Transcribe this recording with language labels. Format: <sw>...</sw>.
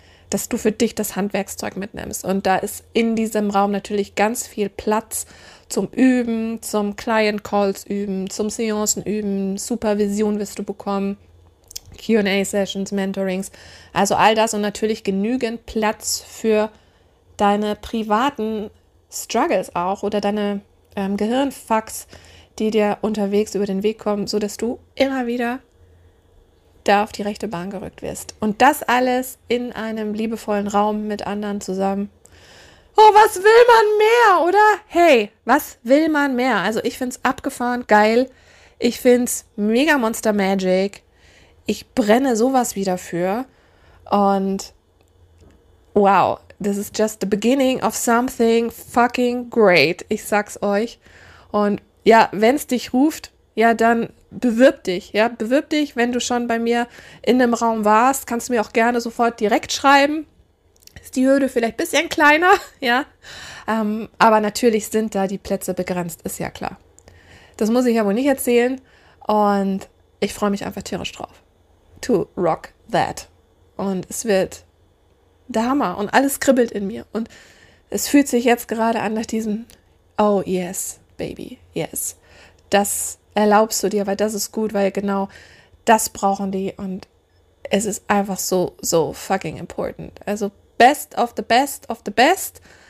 <de>Dass du für dich das Handwerkszeug mitnimmst. Und da ist in diesem Raum natürlich ganz viel Platz zum Üben, zum Client Calls üben, zum Seancen üben, Supervision wirst du bekommen, Q&A Sessions, Mentorings, also all das und natürlich genügend Platz für deine privaten Struggles auch oder deine Gehirnfucks, die dir unterwegs über den Weg kommen, sodass du immer wieder da auf die rechte Bahn gerückt wirst. Und das alles in einem liebevollen Raum mit anderen zusammen. Oh, was will man mehr, oder? Hey, was will man mehr? Also ich find's abgefahren geil. Ich find's mega Monster Magic. Ich brenne sowas wieder für. Und</de> <en>wow, this is just the beginning of something fucking great.</en> <de>Ich sag's euch. Und ja, wenn's dich ruft, ja, dann bewirb dich, ja, bewirb dich, wenn du schon bei mir in einem Raum warst, kannst du mir auch gerne sofort direkt schreiben, ist die Hürde vielleicht ein bisschen kleiner, ja, aber natürlich sind da die Plätze begrenzt, ist ja klar. Das muss ich ja wohl nicht erzählen und ich freue mich einfach tierisch drauf,</de> <en>to rock that</en> <de>und es wird Dharma und alles kribbelt in mir. Und es fühlt sich jetzt gerade an nach diesem,</de> <en>oh yes, Baby, yes.</en> <de>Das erlaubst du dir, weil das ist gut, weil genau das brauchen die. Und es ist einfach so, so</de> <en>fucking important.</en> <de>Also</de> <en>best of the best of the best.</en>